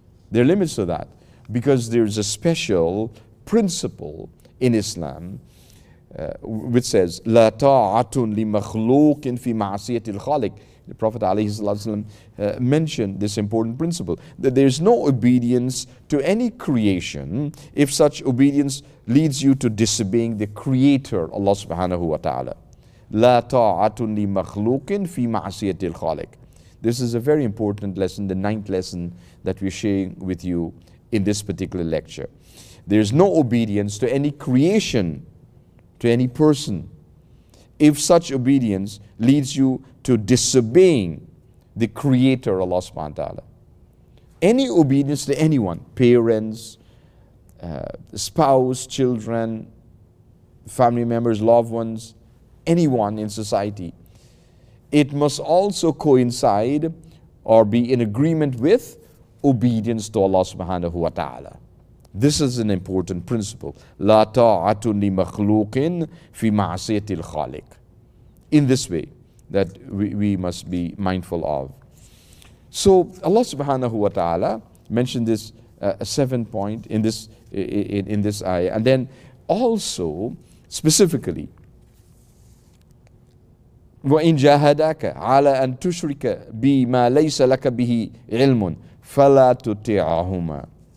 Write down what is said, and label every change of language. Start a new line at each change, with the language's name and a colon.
English: There are limits to that because there's a special principle in Islam which says
Arabic: لا طاعة لمخلوق في معصية الخالق.
English: The Prophet عليه الصلاة والسلام mentioned this important principle, that there is no obedience to any creation if such obedience leads you to disobeying the Creator, Allah subhanahu wa ta'ala.
Arabic: لا طاعة لمخلوق في معصية الخالق.
English: This is a very important lesson, the ninth lesson that we're sharing with you in this particular lecture. There is no obedience to any creation, to any person, if such obedience leads you to disobeying the Creator, Allah subhanahu wa ta'ala. Any obedience to anyone, parents, spouse, children, family members, loved ones, anyone in society, it must also coincide or be in agreement with obedience to Allah subhanahu wa ta'ala. This is an important principle.
Arabic: لا طاعة لمخلوق في معصية الخالق.
English: In this way, that we must be mindful of. So Allah subhanahu wa ta'ala mentioned this seventh point in this ayah. And then also, specifically,
Arabic: وَإِن جَاهَدَاكَ عَلَىٰ أَن تُشْرِكَ بِمَا لَيْسَ لَكَ بِهِ عِلْمٌ فَلَا تُطِعَهُمَا.